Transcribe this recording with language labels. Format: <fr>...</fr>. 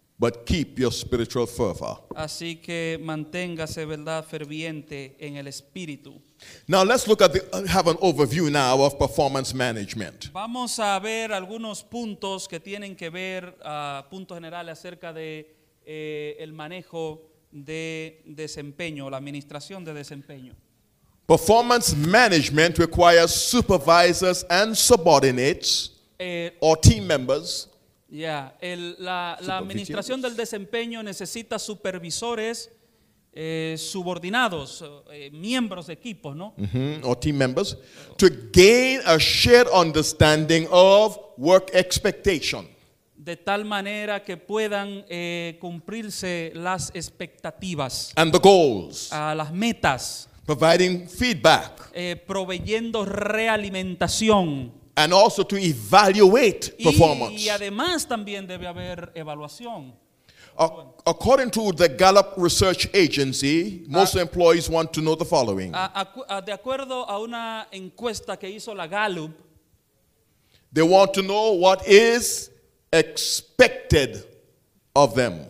<en>But keep your spiritual fervor.</en> <es>Así que manténgase, verdad, ferviente en el espíritu.</es> <en>Now let's look at the, have an overview now of performance management.</en> <es>Vamos a ver algunos puntos que tienen que ver, puntos generales acerca de el manejo de desempeño, la administración de desempeño.</es> <en>Performance management requires supervisors and subordinates or team members.</en> <es>Yeah, la administración del desempeño necesita supervisores, subordinados, miembros de equipo, ¿no? Mm-hmm.</es> <en>Or team members to gain a shared understanding of work expectation.</en> <es>De tal manera que puedan cumplirse las expectativas.</es> <en>And the goals.</en> <es>Las metas.</es> <en>Providing feedback.</en> <es>Proveyendo realimentación.</es> <en>And also to evaluate performance.</en> <es>Y además también debe haber evaluación.</es> <en>According to the Gallup Research Agency, most employees want to know the following.</en> <es>De acuerdo a una encuesta que hizo la Gallup,</es> <en>they want to know what is expected of them.</en>